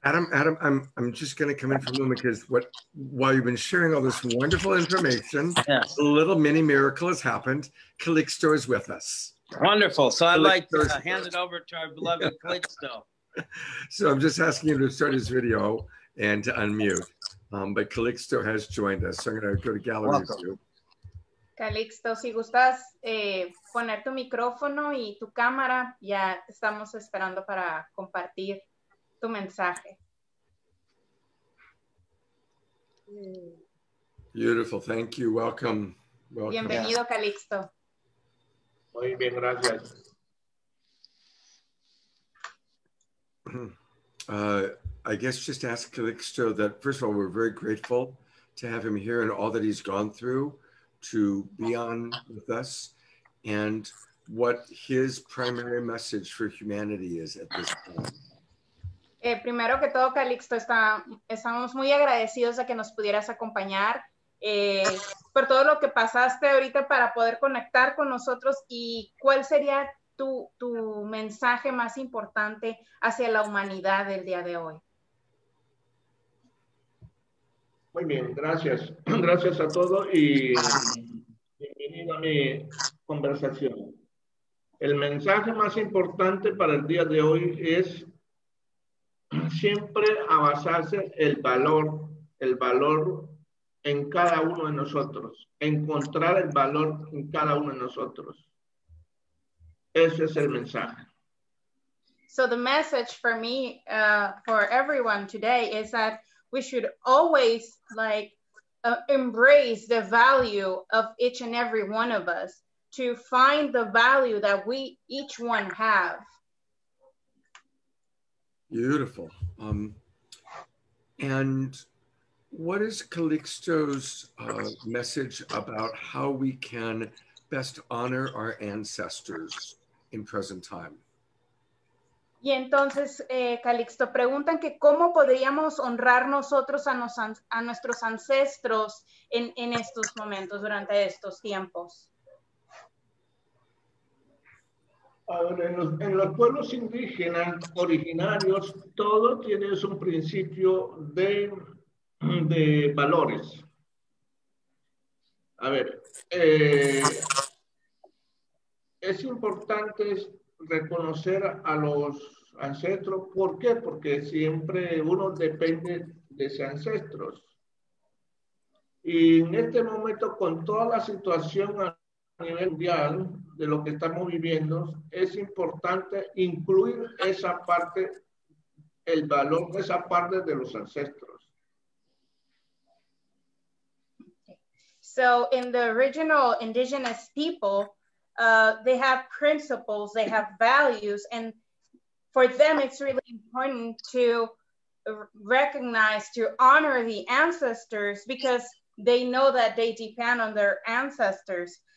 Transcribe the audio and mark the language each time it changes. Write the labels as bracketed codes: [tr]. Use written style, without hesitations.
[en] Adam, I'm just gonna come in for a moment because while you've been sharing all this wonderful information, yes, a little mini miracle has happened. Calixto is with us. Wonderful. So I'd like to hand it over to our beloved Calixto. So I'm just asking him to start his video and to unmute. But Calixto has joined us, so I'm gonna go to gallery too. [es] Calixto, si gustas poner tu micrófono y tu cámara, ya estamos esperando para compartir tu mensaje. [en] Beautiful. Thank you. Welcome. Welcome. [es] Bienvenido, Calixto. Muy bien, gracias. [en] I guess just ask Calixto that, first of all, we're very grateful to have him here and all that he's gone through to be on with us, and what his primary message for humanity is at this point. [es] Primero que todo, Calixto, estamos muy agradecidos de que nos pudieras acompañar por todo lo que pasaste ahorita para poder conectar con nosotros, y cuál sería tu mensaje más importante hacia la humanidad del día de hoy. Muy bien, gracias. Gracias a todos y bienvenido a mi conversación. El mensaje más importante para el día de hoy es siempre avanzarse el valor en cada uno de nosotros, encontrar el valor en cada uno de nosotros. Ese es el mensaje. [en] So the message for me, for everyone today, is that we should always embrace the value of each and every one of us, to find the value that we each one have. Beautiful. And what is Calixto's message about how we can best honor our ancestors in present time? [es] Y entonces, Calixto, preguntan que cómo podríamos honrar nosotros a nuestros ancestros en estos momentos, durante estos tiempos. Ahora, en los pueblos indígenas originarios, todo tiene un principio de valores. A ver, es importante reconocer a los ancestros. ¿Por qué? Porque siempre uno depende de sus ancestros. Y en este momento, con toda la situación a nivel mundial de lo que estamos viviendo, es importante incluir esa parte, el valor de esa parte de los ancestros. [en] So, in the original indigenous people, they have principles, they have values, and for them, it's really important to recognize, to honor the ancestors, because they know that they depend on their ancestors.